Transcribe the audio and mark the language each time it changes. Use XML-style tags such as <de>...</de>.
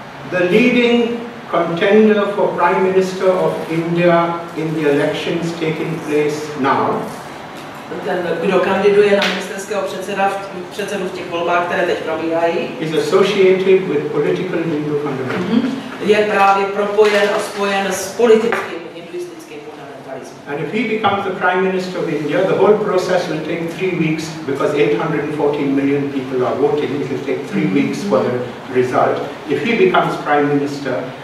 <en>The leading contender for Prime Minister of India in the elections taking place now.</en> <cs>Ten, kdo kandiduje na ministerského předsedu v těch volbách, které teď probíhají,</cs> <en>is associated with political Hindu fundamentalism.</en> <cs>Je právě propojen a spojen s politickým hinduistickým fundamentalismem.</cs> <en>And if he becomes the Prime Minister of India, the whole process will take 3 weeks because 814 million people are voting. It will take 3 weeks for the result. If he becomes Prime Minister,</en>